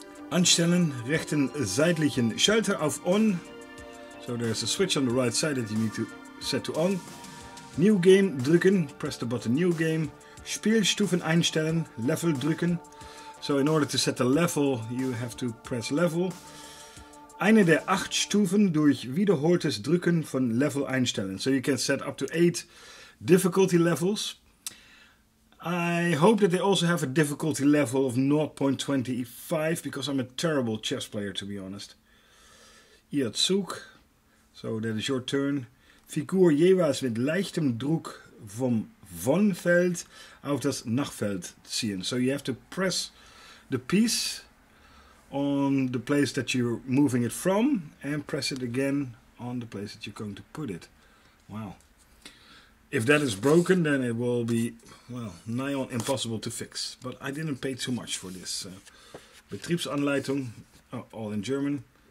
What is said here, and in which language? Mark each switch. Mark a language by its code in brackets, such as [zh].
[de] Anstellen, rechten seitlichen Schalter auf on. [en] So there's a switch on the right side that you need to set to on. [de] New game drücken, [en] press the button new game. [de] Spielstufen einstellen, level drücken. [en] So in order to set the level, you have to press level. [de] Eine der acht Stufen durch wiederholtes Drücken von level einstellen. [en] So you can set up to 8 difficulty levels. I hope that they also have a difficulty level of 0.25, because I'm a terrible chess player, to be honest. [de] Ihr Zug, [en] so that is your turn. [de] Figur jeweils mit leichtem Druck vom Vonfeld auf das Nachfeld ziehen. [en] So you have to press the piece on the place that you're moving it from, and press it again on the place that you're going to put it. Wow. If that is broken, then it will be, well, nigh on impossible to fix. But I didn't pay too much for this. Betriebsanleitung, all in German.